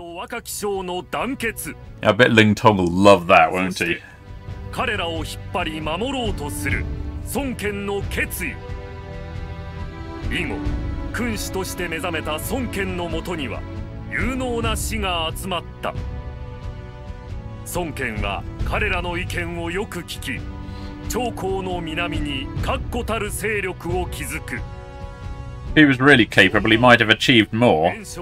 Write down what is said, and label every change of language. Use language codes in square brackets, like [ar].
[en] Yeah, I bet Ling Tong will love that, won't he? [ja] Carrera を引っ張り守ろうとする孫権の決意。以後、君主として目覚めた孫権のもとには、有能な士が集まった。孫権は彼らの意見をよく聞き、 [en] He was really capable, he might have achieved more.